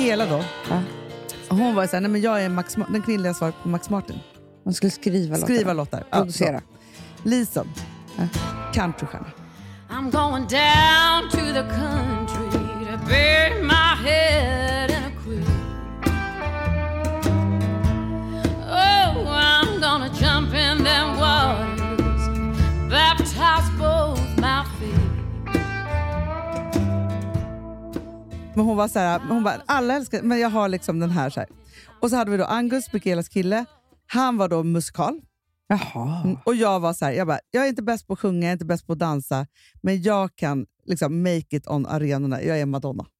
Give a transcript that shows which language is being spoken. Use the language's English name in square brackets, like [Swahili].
[Swedish] Då. Ja. Hon var så här, nej men jag är Max, den kvinnliga svar på Max Martin. Hon skulle skriva låtar. Skriva låtar. Ja, producera. Lisson. Countrystjärna. [English] I'm going down to the country to bury my head in a quilt. Oh, I'm gonna jump in them waters, baptize both my feet. [Swedish] Men hon var så här, hon bara, alla älskar, men jag har liksom den här så här. Och så hade vi då Angus, Michaelas kille. Han var då musikal. Jaha. Och jag var så här, jag bara, jag är inte bäst på att sjunga, jag är inte bäst på att dansa. Men jag kan liksom [English] make it [Swedish] on arenorna. Jag är Madonna.